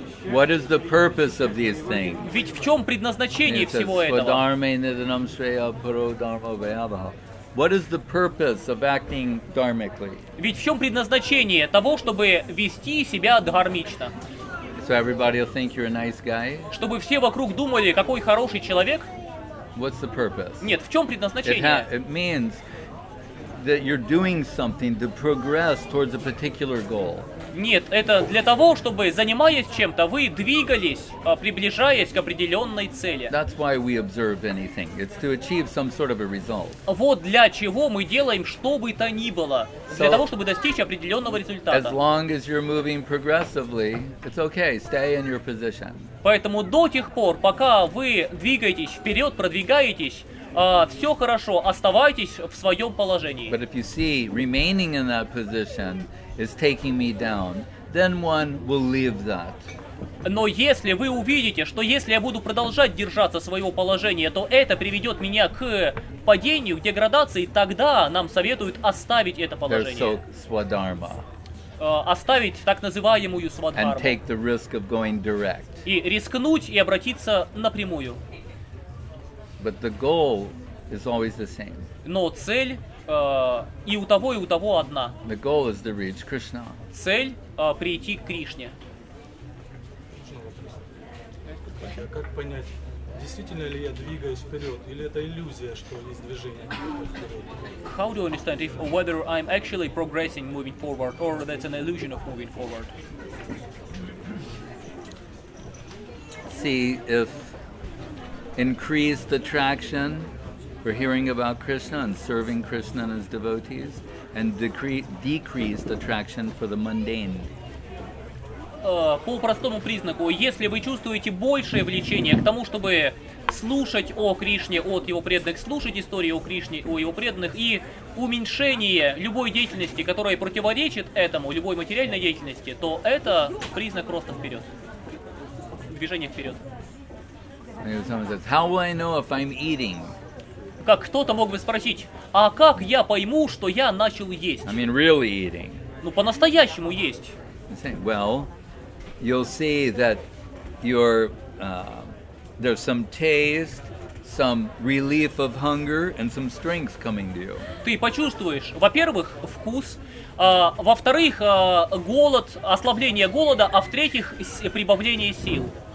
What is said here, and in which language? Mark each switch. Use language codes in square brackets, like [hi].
[en] What is the purpose of these things? [ru] Ведь в чём предназначение всего этого? [sa] Свадхарме нидхинам шрея пуро дхарма вайабхава. [en] What is the purpose of acting dharmically? [ru] Ведь в чём предназначение того, чтобы вести себя дхармично? [en] So everybody will think you're a nice guy? [ru] Чтобы все вокруг думали, какой хороший человек? [en] What's the purpose? [ru] Нет, в чём предназначение? [en] It means that you're doing something to progress towards a particular goal. [ru] Нет, это для того, чтобы, занимаясь чем-то, вы двигались, приближаясь к определенной цели. [en] That's why we observe anything. It's to achieve some sort of a result. [ru] Вот для чего мы делаем что бы то ни было. Для того, чтобы достичь определенного результата. [en] As long as you're moving progressively, it's okay, stay in your position. [ru] Поэтому до тех пор, пока вы двигаетесь вперед, продвигаетесь, все хорошо, оставайтесь в своем положении. [en] But if you see remaining in that position is taking me down, then one will leave that. [ru] Но если вы увидите, что если я буду продолжать держаться своего положения, то это приведет меня к падению, к деградации, тогда нам советуют оставить это положение. [en] There's свадхарма. [ru] Оставить так называемую свадхарму. [en] And take the risk of going direct. [ru] И рискнуть и обратиться напрямую. [en] But the goal is always the same. [ru] Но цель и у того одна. [en] The goal is to reach Krishna. [ru] Цель прийти к Кришне. Как понять, действительно ли я двигаюсь вперед, или это иллюзия, что есть движение? [en] How do you understand if whether I'm actually progressing, moving forward, or that's an illusion of moving forward? See if increased attraction for hearing about Krishna and serving Krishna and his devotees, and decreased attraction for the mundane. [ru] По простому признаку, если вы чувствуете большее влечение к тому, чтобы слушать о Кришне от его преданных, слушать истории о Кришне у его преданных, и уменьшение любой деятельности, которая противоречит этому, любой материальной деятельности, то это признак роста вперед, движения вперед. [en] Someone says, how will I know if I'm eating? [ru] Как кто-то мог бы спросить, а как я пойму, что я начал есть? [en] I mean, really eating. [ru] Ну, по-настоящему есть. [en] Say, well, you'll see that you're, there's some taste, some relief of hunger, and some strength coming to you. [ru] Ты почувствуешь, во-первых, вкус, во-вторых, голод, ослабление голода, а в-третьих, прибавление сил.